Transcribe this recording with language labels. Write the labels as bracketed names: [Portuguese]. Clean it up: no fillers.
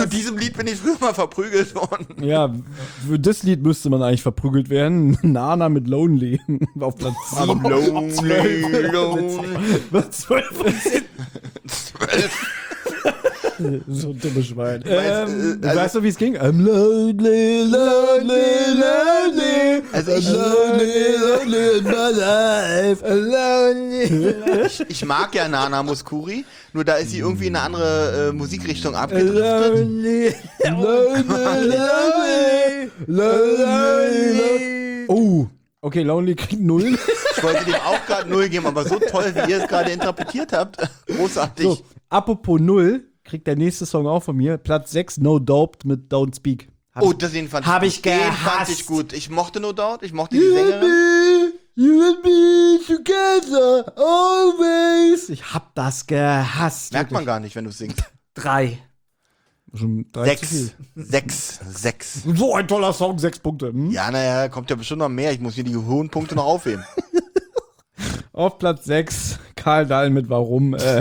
[German] Zu diesem Lied bin ich früher mal verprügelt worden. Ja, für das Lied müsste man eigentlich verprügelt werden. Nana mit Lonely. Auf Platz 7. Lonely. Was? 12. 12. So ein dummes Schwein. Also, weißt du, wie es ging? [English] I'm lonely, lonely, lonely. [German] Also ich, [English] lonely, lonely in my life. Lonely. [German] Ich mag ja Nana Mouskouri, nur da ist sie irgendwie in eine andere Musikrichtung abgedriftet. [English] Lonely, lonely, lonely, lonely, lonely. Oh, okay, [German] Lonely kriegt null. Ich wollte dem auch gerade null geben, aber so toll, wie ihr es gerade interpretiert habt, großartig. So, apropos null, kriegt der nächste Song auch von mir, Platz 6, No Doubt mit Don't Speak. Oh, das den fand hab ich gehasst. Den fand ich gut. Ich mochte No Doubt, ich mochte die Sängerin. [English] You and me together always. [German] Ich hab das gehasst. Merkt wirklich. Man gar nicht, wenn du singst. Drei. Schon drei sechs. Zu viel. Sechs. So ein toller Song, 6 Punkte. Hm? Ja, naja, kommt ja bestimmt noch mehr. Ich muss mir die hohen Punkte noch aufheben. Auf Platz 6, Karl Dahl mit Warum.